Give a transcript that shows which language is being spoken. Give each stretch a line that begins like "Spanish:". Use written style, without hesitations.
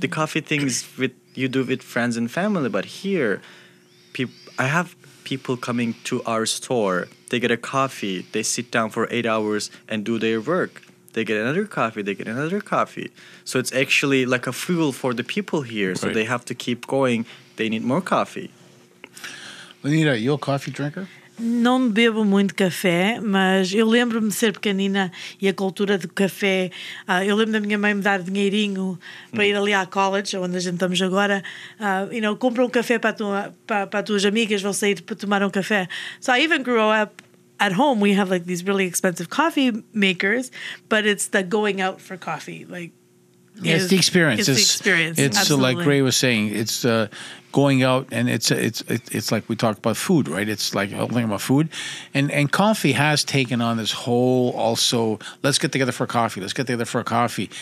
English: The coffee things with you do with friends and family. But here, I have people coming to our store. They get a coffee. They sit down for 8 hours and do their work. They get another coffee. They get another coffee. So it's actually like a fuel for the people here. Right. So they have to keep going. They need more coffee. Lenita, you a coffee drinker?
Portuguese: Não bebo muito café, mas eu lembro-me de ser pequenina e a cultura do café. Eu lembro da minha mãe me dar dinheirinho para ir ali à college, onde a gente estamos agora.
English: You know,
Portuguese: compra um café para as tuas amigas, vão sair para tomar um café.
English: So I even grew up at home. We have like these really expensive coffee makers, but it's the going out for coffee. Like, it's the experience. It's the experience. It's absolutely. Like Gray was saying, it's... going out, and it's like we talk about food, right? It's like the whole thing about food. And coffee has taken on this whole also, let's get together for coffee.